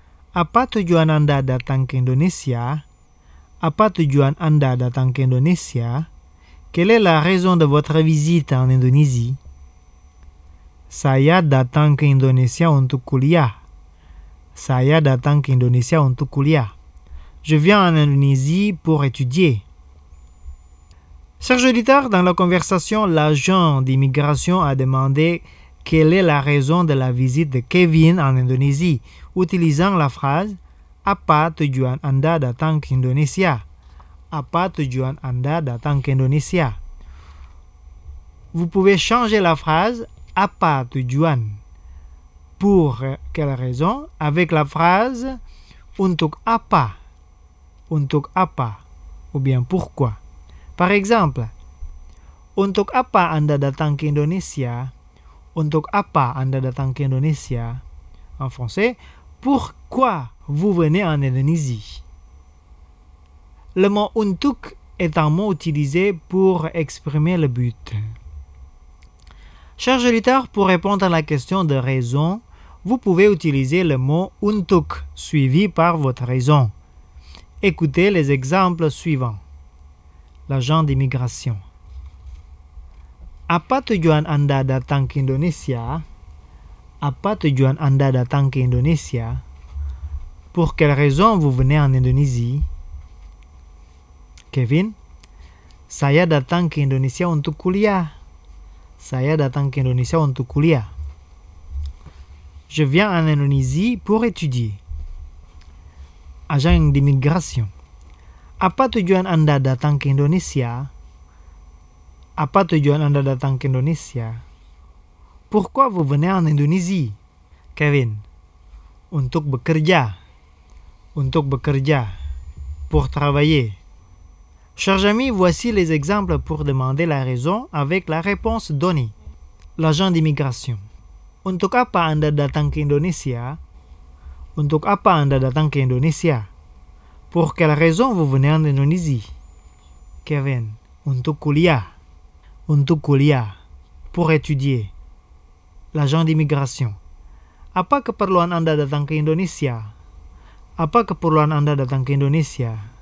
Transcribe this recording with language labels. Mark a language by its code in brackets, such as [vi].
[id] Apa tujuan Anda datang ke Indonesia? Apa tujuan Anda datang ke Indonesia? [fr] Quelle est la raison de votre visite en Indonésie? [id] Saya datang ke Indonesia untuk kuliah. Saya datang ke Indonesia untuk kuliah. [fr] Je viens en Indonésie pour étudier. Serge Littard, dans la conversation, l'agent d'immigration a demandé quelle est la raison de la visite de Kevin en Indonésie, utilisant la phrase « [id] Apa tujuan Anda datang ke Indonesia [fr] ?»« Apa tujuan Anda datang ke Indonesia ?» Vous pouvez changer la phrase « [id] Apa tujuan [fr] ?»« Pour quelle raison ?» avec la phrase « [id] Untuk apa ?» Untuk apa? [fr] Ou bien pourquoi? Par exemple, [id] untuk apa Anda datang ke Indonesia? Untuk apa Anda datang ke Indonesia? [fr] En français, pourquoi vous venez en Indonésie? Le mot untuk est un mot utilisé pour exprimer le but. Cher auditeur, pour répondre à la question de raison, vous pouvez utiliser le mot untuk suivi par votre raison. Écoutez les exemples suivants. L'agent d'immigration. [id] Apa tujuan Anda datang ke Indonesia? Apa tujuan Anda datang ke Indonesia? [fr] Pour quelle raison vous venez en Indonésie? [id] Kevin, saya datang ke Indonesia untuk kuliah. Saya datang ke Indonesia untuk kuliah. [fr] Je viens en Indonésie pour étudier. Agent d'immigration. [id] Apa tujuan Anda datang ke Indonesia? Apa tujuan Anda datang ke Indonesia? [fr] Pourquoi vous venez en Indonésie? [id] Kevin. Untuk bekerja. Untuk bekerja. [fr] Pour travailler. Chers amis, voici les exemples pour demander la raison avec la réponse donnée. L'agent d'immigration. [id] Untuk apa Anda datang ke Indonesia? Untuk apa Anda datang ke Indonesia? [fr] Pour quelle raison vous venez en Indonésie? Kevin, [id] untuk kuliah. Untuk kuliah. [fr] Pour étudier. L'agent d'immigration. [id] Apa keperluan Anda datang ke Indonesia? Apa keperluan Anda datang ke Indonesia?